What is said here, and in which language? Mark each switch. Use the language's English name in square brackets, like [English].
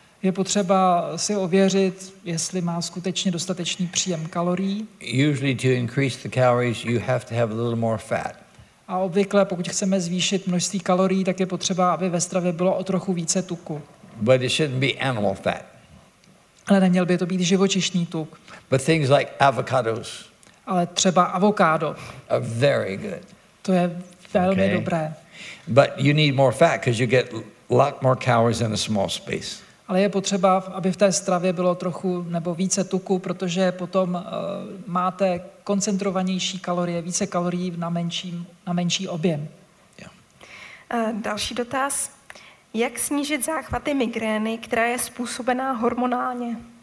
[Czech] Je potřeba si ověřit, jestli má skutečně dostatečný příjem kalorií. [English] Usually to increase the calories, you have to have a little more fat. [Czech] A obvykle, pokud chceme zvýšit množství kalorií, tak je potřeba, aby ve stravě bylo o trochu více tuku. [English] But it shouldn't be animal fat. [Czech] Ale neměl by to být živočišný tuk. [English] But things like avocados. [Czech] Ale třeba avokádo. [English] Are very good. [Czech] To je velmi dobré. [English] But you need more fat because you get a lot more calories in a small space. [Czech] Ale je potřeba, aby v té stravě bylo trochu nebo více tuku, protože potom máte koncentrovanější kalorie, více kalorií na menší objem. Další dotaz. Jak snížit záchvaty migrény, která je způsobená hormonálně?